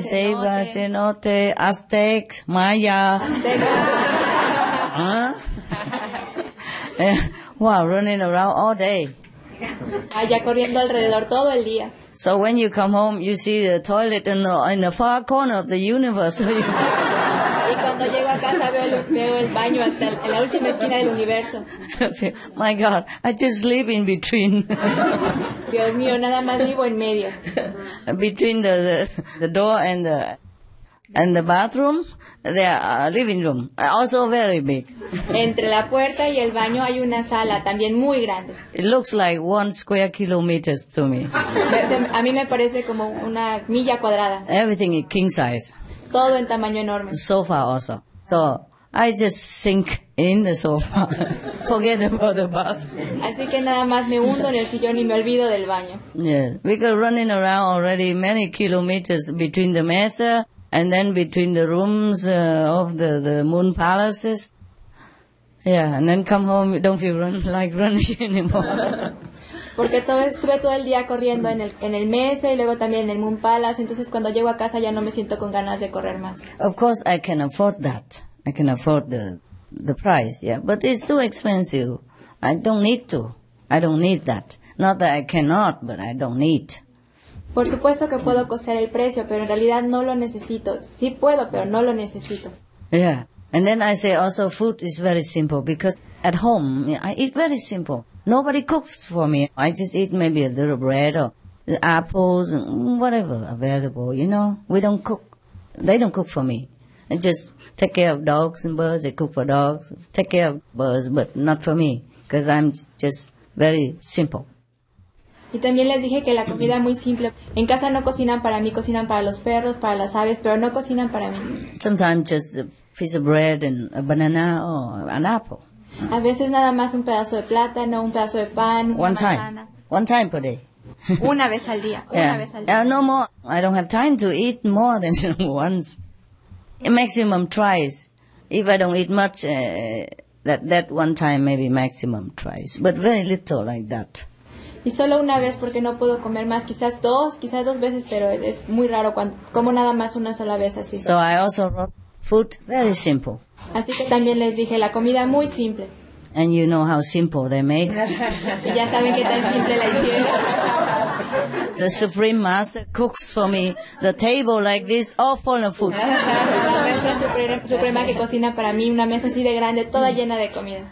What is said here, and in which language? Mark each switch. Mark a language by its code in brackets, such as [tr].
[en] Ceiba, Cenote, Aztec, Maya. Aztec. Huh? Wow, running around all day. [es] Allá corriendo alrededor todo el día. [en] So when you come home, you see the toilet in the far corner of the universe. [es] Y cuando llego a casa veo el baño en la última esquina del universo. [en] My God, I just live in between. [es] Dios mío, nada más vivo en medio. [en] Between the door and the bathroom, there are living room, also very big. [es] Entre la puerta y el baño hay una sala, también muy grande. [en] It looks like 1 square kilometer to me. [es] A mí me parece como una milla cuadrada. [en] Everything in king size. [es] Todo en tamaño enorme. [en] Sofa also. So I just sink in the sofa, forget about the bathroom. [es] Así que nada más me hundo en el sillón y me olvido del baño. [en] Yes, because running around already many kilometers between the mesa, and then between the rooms of the moon palaces. Yeah, and then come home, you don't feel running anymore. [es] Porque estuve todo el día corriendo en el mesa y luego también en el moon palace. Entonces cuando llego a casa ya no me siento con ganas de correr más. [en] Of course I can afford that. I can afford the price, yeah. But it's too expensive. I don't need to. I don't need that. Not that I cannot, but I don't need. [es] Por supuesto que puedo costear el precio, pero en realidad no lo necesito. Sí puedo, pero no lo necesito. [en] Yeah, and then I say also food is very simple because at home I eat very simple. Nobody cooks for me. I just eat maybe a little bread or apples and whatever available, you know. We don't cook. They don't cook for me. I just take care of dogs and birds. They cook for dogs. Take care of birds, but not for me because I'm just very simple. [es] Y también les dije que la comida es muy simple. En casa no cocinan para mí, cocinan para los perros, para las aves, pero no cocinan para mí. [en] Sometimes just a piece of bread and a banana or an apple. [es] A veces nada más un pedazo de plátano, un pedazo de pan, una [en] banana. One time per day. [es] Una vez al día, yeah. Una vez al día. [en] No more, I don't have time to eat more than once. Maximum twice. If I don't eat much, that one time maybe maximum twice. But very little like that. [es] Y solo una vez porque no puedo comer más, quizás dos veces, pero es muy raro cuando como nada más una sola vez así. [en] So I also wrote food very simple. [es] Así que también les dije la comida muy simple. [en] And you know how simple they made. [es] Y ya saben qué tan simple la hicieron. [en] The Supreme Master cooks for me the table like this, all full of food. [es] La maestra suprema que cocina para mí una mesa así de grande, toda llena de comida.